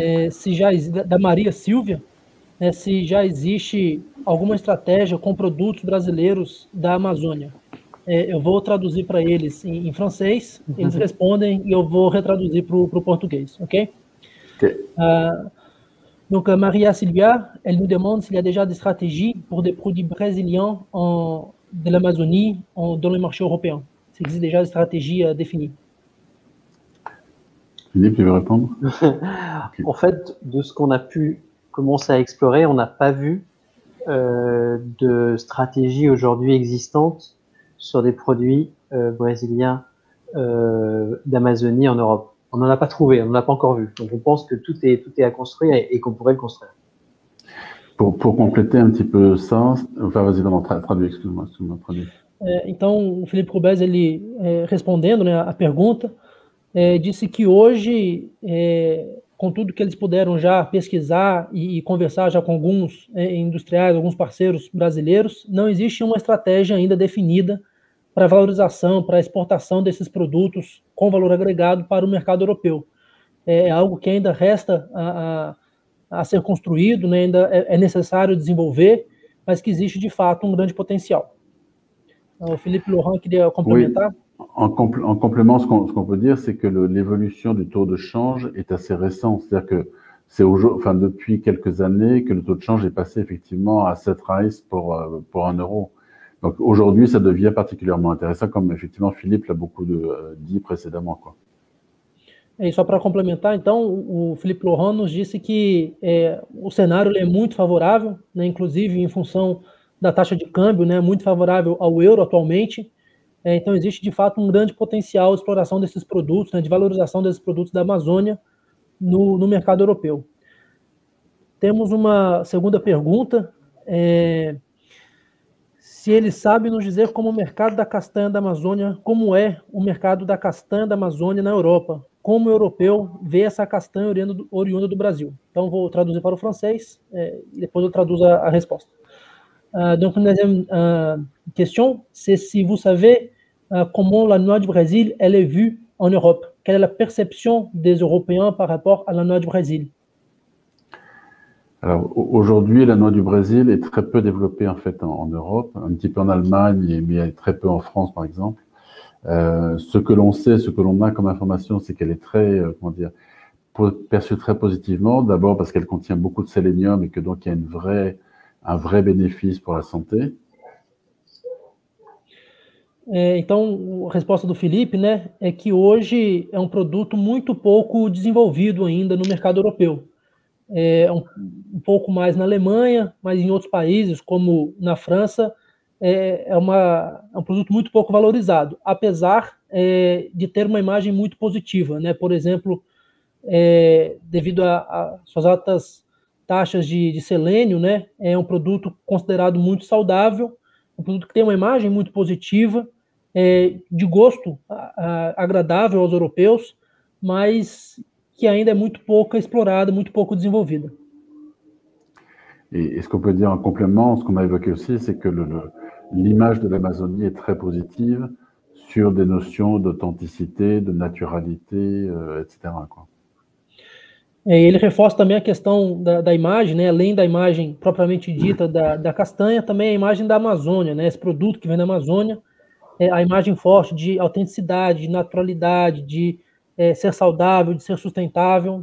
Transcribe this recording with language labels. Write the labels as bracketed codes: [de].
[pt] se já da Maria Silvia, né, se já existe alguma estratégia com produtos brasileiros da Amazônia. Eu vou traduzir para eles em francês, eles respondem e eu vou retraduzir para o português, ok? [fr] Donc Maria Silvia, elle nous demande s'il y a déjà des stratégies pour des produits brésiliens de l'Amazonie dans le marché européen. S'il existe déjà des stratégies définies. Philippe, tu veux répondre? Okay. En fait, de ce qu'on a pu commencer à explorer, on n'a pas vu de stratégie aujourd'hui existante sur des produits brésiliens d'Amazonie en Europe. On n'en a pas trouvé, on n'en a pas encore vu. Donc on pense que tout est à construire et qu'on pourrait le construire. Pour compléter un petit peu ça, enfin, vas-y, non, traduis, excuse-moi, traduis. [pt] Então, o Philippe Roubaix, ele respondendo, né, à pergunta, disse que hoje, com tudo que eles puderam já pesquisar e conversar já com alguns industriais, alguns parceiros brasileiros, não existe uma estratégia ainda definida para valorização, para exportação desses produtos com valor agregado para o mercado europeu. É algo que ainda resta a ser construído, né? Ainda é necessário desenvolver, mas que existe, de fato, um grande potencial. O Philippe Laurent queria complementar. [fr] Oui. En complément, ce qu'on peut dire, c'est que l'évolution du taux de change est assez récente. C'est-à-dire que c'est aujourd'hui, enfin, depuis quelques années que le taux de change est passé effectivement à 7 reais pour 1 euro. Donc aujourd'hui, ça devient particulièrement intéressant, comme effectivement Philippe l'a beaucoup dit précédemment, quoi. [pt] Et só para complementar, então, o Philippe Laurent nos disse que o cenário é muito favorável, né, inclusive em função da taxa de câmbio, né, muito favorável ao euro atualmente. Então, existe, de fato, um grande potencial de exploração desses produtos, né, de valorização desses produtos da Amazônia no mercado europeu. Temos uma segunda pergunta. Se ele sabe nos dizer como o mercado da castanha da Amazônia, como é o mercado da castanha da Amazônia na Europa? Como o europeu vê essa castanha oriunda do Brasil? Então, vou traduzir para o francês, depois eu traduzo a resposta. [fr] Donc, une deuxième question, c'est si vous savez comment la noix du Brésil elle est vue en Europe. Quelle est la perception des Européens par rapport à la noix du Brésil? Alors, aujourd'hui, la noix du Brésil est très peu développée en fait en Europe, un petit peu en Allemagne, mais très peu en France, par exemple. Ce que l'on sait, ce que l'on a comme information, c'est qu'elle est très, perçue très positivement, d'abord parce qu'elle contient beaucoup de sélénium et que donc il y a un vrai bénéfice pour la santé. [pt] Então, a resposta do Felipe, né, é que hoje é um produto muito pouco desenvolvido ainda no mercado europeu. Um pouco mais na Alemanha, mas em outros países, como na França, é um produto muito pouco valorizado, apesar de ter uma imagem muito positiva, né? Por exemplo, devido a suas altas taxas de selênio, né, é um produto considerado muito saudável, um produto que tem uma imagem muito positiva, de gosto agradável aos europeus, mas que ainda é muito pouco explorada, muito pouco desenvolvida. [fr] E ce qu'on peut dire en complément, ce qu'on a évoqué aussi, c'est que l'image de l'Amazonie est très positive sur des notions d'authenticité, de naturalité, etc. Quoi. [pt] Ele reforça também a questão da imagem, né? Além da imagem propriamente dita da castanha, também a imagem da Amazônia, né? Esse produto que vem da Amazônia, a imagem forte de autenticidade, de naturalidade, de ser saudável, de ser sustentável.